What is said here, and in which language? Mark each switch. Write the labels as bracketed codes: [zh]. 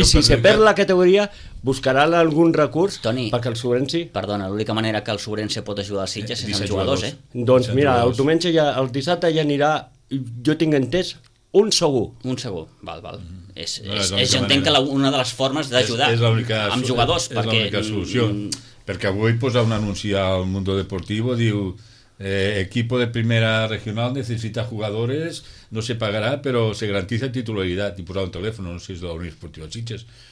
[ca] I si se perd la categoria, buscarà algun recurs perquè el suverens... Perdona, l'única manera que el suverens pot ajudar als Sitges és amb jugadors, eh? Doncs mira, el diumenge, el dissabte ja anirà, jo tinc entès, un segur. Un segur, val. És, entenc que una de les formes d'ajudar amb jugadors. És l'única solució. Perquè avui posa un anunci al Mundo Deportivo, diu, [es] equipo de primera regional necesita jugadores, no se pagará, pero se garantiza titularidad. [ca] I posa un telèfon, no sé si és de la Unió Esportiva de Sitges.